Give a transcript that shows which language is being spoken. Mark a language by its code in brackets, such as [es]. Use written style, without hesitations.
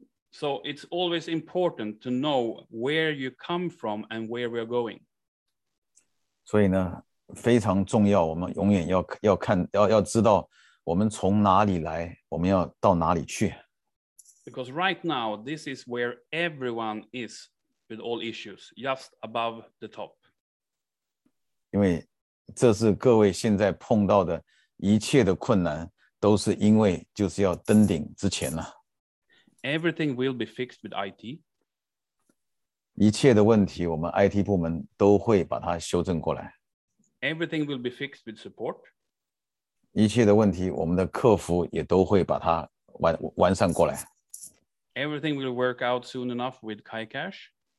[en] So it's always important to know where you come from and where we're going. [zh] 所以呢，非常重要，我们永远要看，要知道我们从哪里来，我们要到哪里去。 [en] Because right now, this is where everyone is with all issues, just above the top. [zh] 因为这是各位现在碰到的一切的困难，都是因为就是要登顶之前呢。 [en] Everything will be fixed with IT. [zh] 一切的问题，我们 IT 部门都会把它修正过来。 [en] Everything will be fixed with support. [zh] 一切的问题，我们的客服也都会把它完善过来。 [en] Everything will work out soon enough with KaiCash.